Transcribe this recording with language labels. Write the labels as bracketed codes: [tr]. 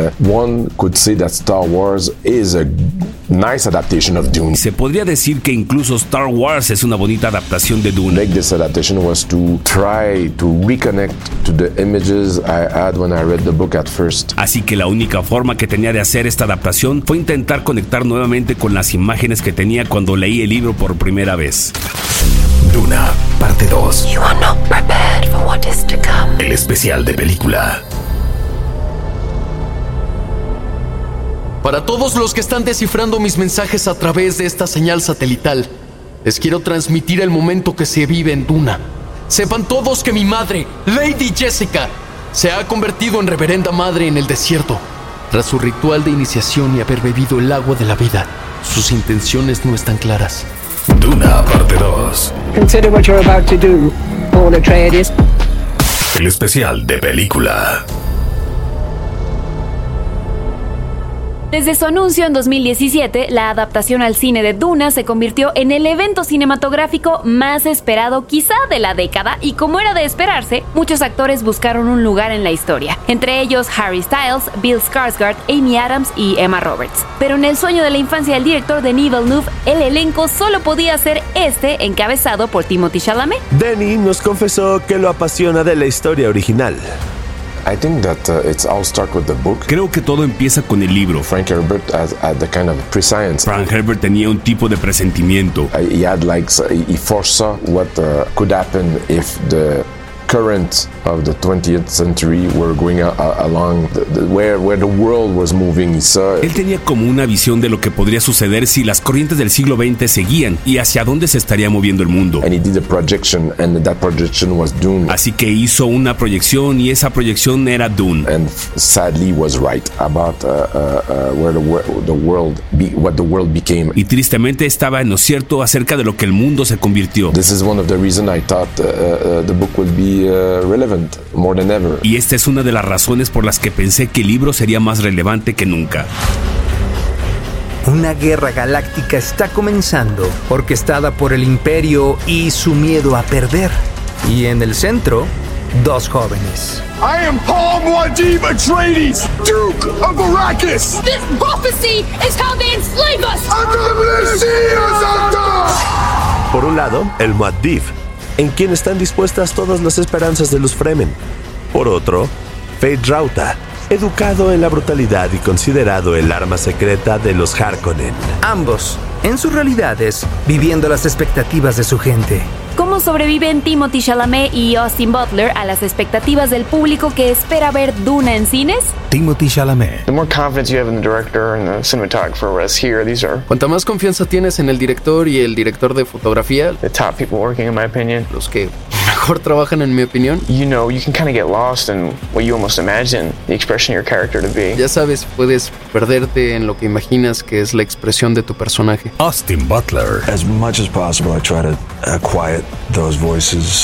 [en] One could say that Star Wars is a nice adaptation of Dune. [es] Se podría decir que incluso Star Wars es una bonita adaptación de Dune. [en] Make this adaptation was to try to reconnect to the images I had when I read the book at first. [es] Así que la única forma que tenía de hacer esta adaptación fue intentar conectar nuevamente con las imágenes que tenía cuando leí el libro por primera vez. Duna, parte 2. [en] You are not prepared for what is to come. [es] El especial de película. Para todos los que están descifrando mis mensajes a través de esta señal satelital, les quiero transmitir el momento que se vive en Duna. Sepan todos que mi madre, Lady Jessica, se ha convertido en reverenda madre en el desierto. Tras su ritual de iniciación y haber bebido el agua de la vida, sus intenciones no están claras. Duna, parte 2. [en] Consider what you're about to do, Paul Atreides. [es] El especial de película. Desde su anuncio en 2017, la adaptación al cine de Duna se convirtió en el evento cinematográfico más esperado quizá de la década, y como era de esperarse, muchos actores buscaron un lugar en la historia, entre ellos Harry Styles, Bill Skarsgård, Amy Adams y Emma Roberts. Pero en el sueño de la infancia del director Denis Villeneuve, el elenco solo podía ser este, encabezado por Timothée Chalamet. Denis nos confesó que lo apasiona de la historia original. [en] I think that it's all start with the book. [es] Creo que todo empieza con el libro. [en] Frank Herbert had the kind of prescience. [es] Frank Herbert tenía un tipo de presentimiento. [en] He foresaw what could happen if the current of the 20th century were going along where the world was moving. So, [es] él tenía como una visión de lo que podría suceder si las corrientes del siglo XX seguían y hacia dónde se estaría moviendo el mundo. [en] And he did a projection, and that projection was Dune. [es] Así que hizo una proyección y esa proyección era Dune. [en] And sadly was right about what the world became. [es] Y tristemente estaba en lo cierto acerca de lo que el mundo se convirtió. [en] This is one of the reasons I thought the book would be relevant more than ever. [es] Y esta es una de las razones por las que pensé que el libro sería más relevante que nunca. Una guerra galáctica está comenzando, orquestada por el Imperio y su miedo a perder. Y en el centro, dos jóvenes. [en] I am Paul Muad'Dib Atreides, Duke of Arrakis. This prophecy is how they enslave us. Andalusios Andal. [es] Por un lado, el Muad'Dib, en quien están dispuestas todas las esperanzas de los Fremen. Por otro, Fate Rauta, educado en la brutalidad y considerado el arma secreta de los Harkonnen. Ambos, en sus realidades, viviendo las expectativas de su gente. ¿Cómo sobreviven Timothée Chalamet y Austin Butler a las expectativas del público que espera ver Duna en cines? Timothée Chalamet. [en] The more confidence you have in the director and the cinematographer as here, these are. [es] Cuanta más confianza tienes en el director y el director de fotografía, [en] the top people working in my opinion. [es] Los que mejor trabajan en mi opinión. [en] You know, you can kind of get lost in what you almost imagine the expression of your character to be. [es] Ya sabes, puedes perderte en lo que imaginas que es la expresión de tu personaje. Austin Butler. [en] As much as possible, I try to quiet those voices.